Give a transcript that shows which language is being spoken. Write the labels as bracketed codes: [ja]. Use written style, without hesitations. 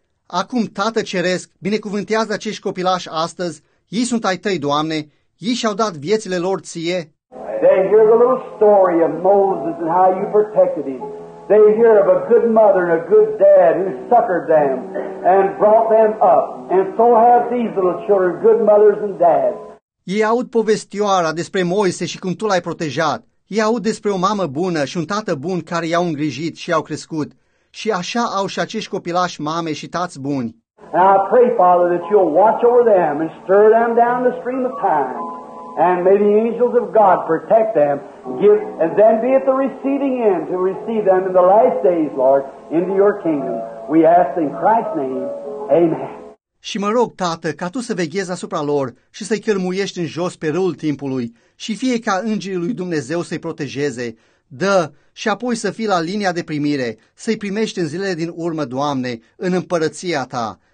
[ro] Acum, Tată Ceresc, binecuvântează acești copilași astăzi. Ei sunt ai Tăi, Doamne. Ei și-au dat viețile lor Ție. [en] They hear the little story of Moses and how you protected him. They hear of a good mother and a good dad who succored them and brought them up. And so have these little children, good mothers and dads. [ro] Ei aud povestioara despre Moise și cum Tu l-ai protejat. Ei aud despre o mamă bună și un tată bun care i-au îngrijit și i-au crescut. Și așa au și acești copilași mame și tați buni. [en] And I pray, Father, that You'll watch over them and stir them down the stream of time. And may the angels of God protect them, give, and then be at the receiving end to receive them in the last days, Lord, into Your kingdom. We ask in Christ's name. Amen. [ro] Și mă rog, Tată, ca Tu să veghezi asupra lor și să-i cărmuiești în jos pe râul timpului și fie ca îngerii lui Dumnezeu să-i protejeze, dă și apoi să fii la linia de primire, să-i primești în zilele din urmă, Doamne, în împărăția Ta.